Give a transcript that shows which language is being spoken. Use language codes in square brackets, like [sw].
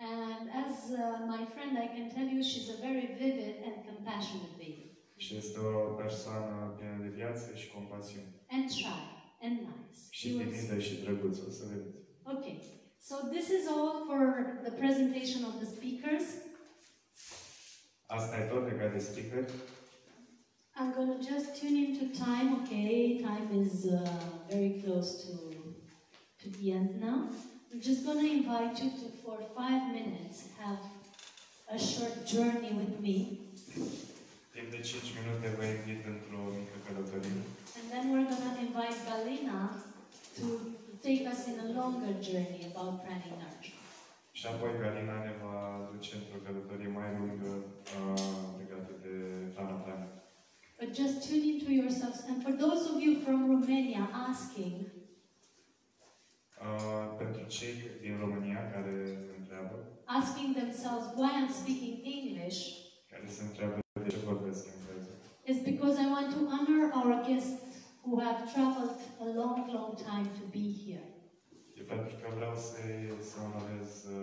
[en] And as my friend, I can tell you, she's a very vivid and compassionate being. [ro] Și este o persoană plină de viață și compasiune. [en] And shy and nice. [ro] Și timidă și drăguță, o să vedeți. [en] Okay, so this is all for the presentation of the speakers. [ro] Asta e tot legat de speaker. [en] I'm going to just tune into time, okay? Time is very close to the end now. I'm just going to invite you to, for 5 minutes, have a short journey with me. [ro] Timp de 5 minute vă invit într-o mică călătorie. [en] And then we're going to invite Galina to take us in a longer journey about pranic nurture. [ro] Și apoi Galina ne va duce într-o călătorie mai lungă legată de hrana pranic. [en] But just tune into yourselves. And for those of you from Romania asking, [ro] pentru cei din România care întreabă, [en] asking themselves why I'm speaking English, [ro] care se întreabă de ce vorbesc engleză, [en] is because I want to honor our guests who have traveled a long, long time to be here. [ro] E pentru că vreau să onorez